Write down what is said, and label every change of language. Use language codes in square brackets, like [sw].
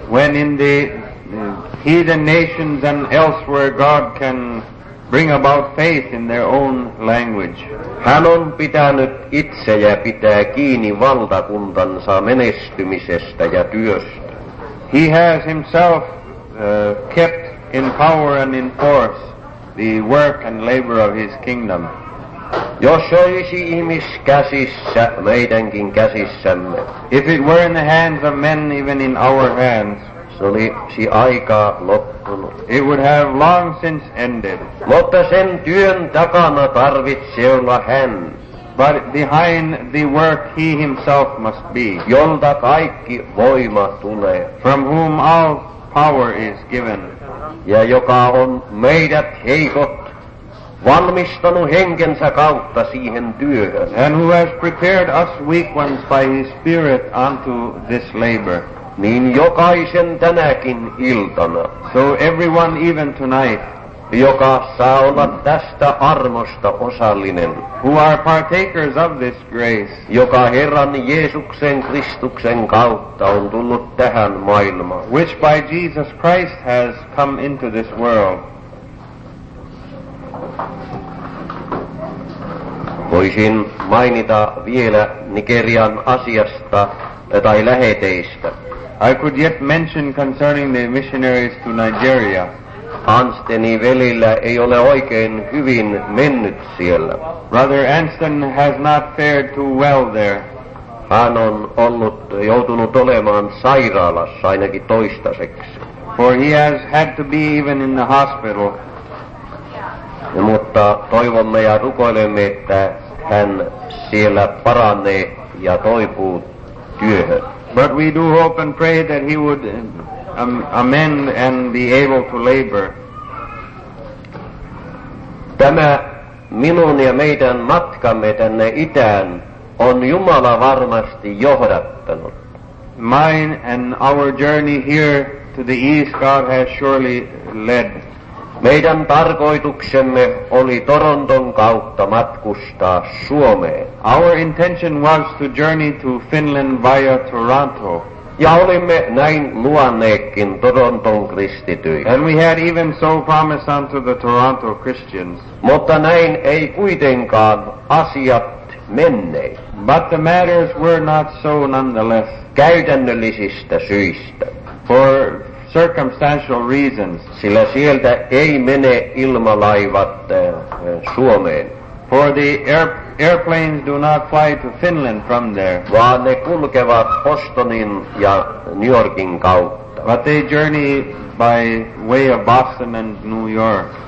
[en] When in the heathen nations and elsewhere God can bring about faith in their own language. [fi] Hän on pitänyt itse ja pitää kiinni valtakuntansa menestymisestä ja työstä. [en] He has himself kept in power and in force the work and labor of his kingdom. [fi] Jos olisi ihmiskäsissä, meidänkin käsissämme. [en] If it were in the hands of men, even in our hands. [fi] Se olisi aika loppunut. [en] It would have long since ended. [fi] Mutta sen työn takana tarvitsee olla hän. [en] But behind the work he himself must be. [fi] Jolta kaikki voima tulee. [en] From whom all power is given. [fi] Ja joka on meidät heikot valmistanut henkensä kautta siihen työhön. [en] And who has prepared us weak ones by his spirit unto this labor. [fi] Niin jokaisen tänäkin iltana. [en] So everyone even tonight. [fi] joka saa olla tästä armosta osallinen. [en] Who are partakers of this grace. [fi] Joka Herran Jeesuksen Kristuksen kautta on tullut tähän maailmaan. [en] Which by Jesus Christ has come into this world. [fi] Voisin mainita vielä Nigerian asiasta tai läheteistä. [en] I could yet mention concerning the missionaries to Nigeria. [fi] Anstoni velillä ei ole oikein hyvin mennyt siellä. [en] Brother Anston has not fared too well there. [fi] Hän on joutunut olemaan sairaalassa ainakin toistaiseksi. [en] For he has had to be even in the hospital. [fi] Mutta toivomme ja rukoilemme, että hän siellä paranee ja toipuu työhön. [en] But we do hope and pray that he would amend and be able to labor. [fi] Tämä minun ja meidän matkamme tänne itään on Jumala varmasti johdattanut. [en] Mine and our journey here to the east God has surely led. [fi] Meidän tarkoituksemme oli Toronton kautta matkustaa Suomeen. [en] Our intention was to journey to Finland via Toronto. [fi] Ja olimme näin luonneekin Toronton kristityille. [en] And we had even so promised unto the Toronto Christians. [fi] Mutta näin ei kuitenkaan asiat menneet. [en] But the matters were not so nonetheless. [fi] Käytännöllisistä syistä. [en] For circumstantial reasons. [fi] Sillä sieltä ei mene ilmalaivat Suomeen. [en] For the airplanes do not fly to Finland from there. [fi] Vaan ne kulkevat Bostonin ja New Yorkin kautta. [en] But they journey by way of Boston and New York.